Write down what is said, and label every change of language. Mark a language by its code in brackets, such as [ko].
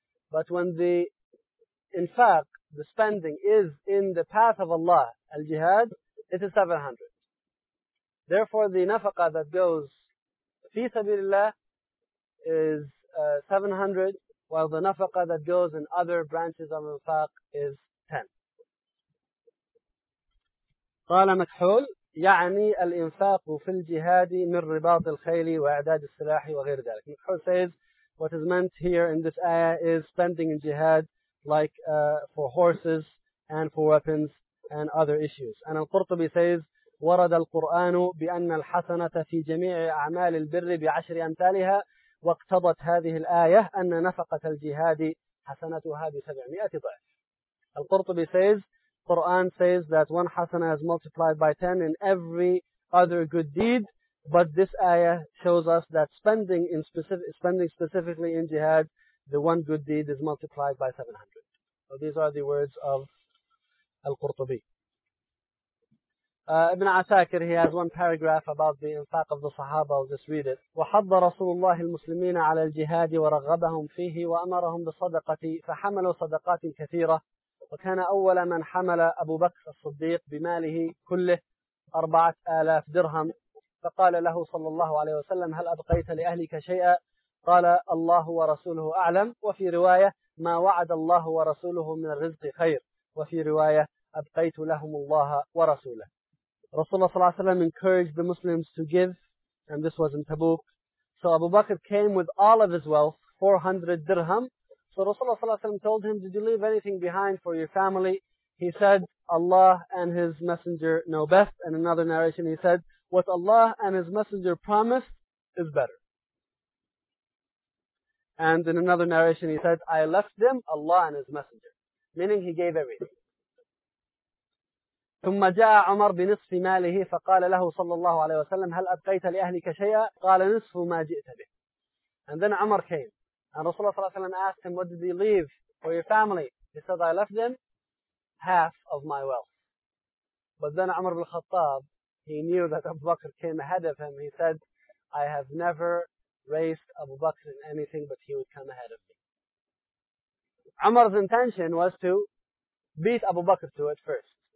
[en] But when the spending is in the path of Allah, al-jihad, it is 700. Therefore, the nafaqah that goes fi sabilillah is 700, while the nafaqah that goes in other branches of infaq is 10. Qala makhul. [ar] يعني الإنفاق في الجهاد من رباط الخيل وإعداد السلاح وغير ذلك. [en] Mekhul says, what is meant here in this ayah is spending in jihad like for horses and for weapons and other issues. And Al-Qurtubi says, [ar] ورد القرآن بأن الحسنة في جميع أعمال البر بعشر أمثالها واقتضت هذه الآية أن نفقة الجهاد حسنتها بسبعمائة ضعف. [en] Al-Qurtubi says, Quran says that one hasana is multiplied by 10 in every other good deed, but this ayah shows us that spending specifically in jihad, the one good deed is multiplied by 700. So these are the words of Al-Qurtubi. Ibn Asakir, he has one paragraph about the infaq of the Sahaba. I'll just read it. [ar] وحض رسول الله المسلمين على الجهاد ورغبهم فيه وأمرهم بالصدقة فحملوا صدقات كثيرة. وكان أول من حمل أبو بكر الصديق بماله كله 4000 درهم فقال له صلى الله عليه وسلم هل أبقيت لأهلك شيئا؟ قال الله ورسوله أعلم. وفي رواية ما وعد الله ورسوله من الرزق خير. وفي رواية أبقيت لهم الله ورسوله. رسول الله صلى الله عليه وسلم [en] encouraged the Muslims to give, and this was in Tabuk. So Abu Bakr came with all of his wealth, 400 dirham. So Rasulullah ﷺ told him, did you leave anything behind for your family? He said, Allah and His Messenger know best. And another narration, he said, what Allah and His Messenger promised is better. And in another narration, he said, I left them, Allah and His Messenger. Meaning, he gave everything. [ar] ثم جاء عمر بنصف ماله فقال له صلى الله عليه وسلم هل أبقيت لأهلك شيئا؟ قال نصف ما جئت به. [en] And then عمر came. And Rasulullah ﷺ asked him, what did he leave for your family? He said, I left them half of my wealth. But then Umar ibn al-Khattab, he knew that Abu Bakr came ahead of him. He said, I have never raced Abu Bakr in anything, but he would come ahead of me. Umar's intention was to beat Abu Bakr to it first.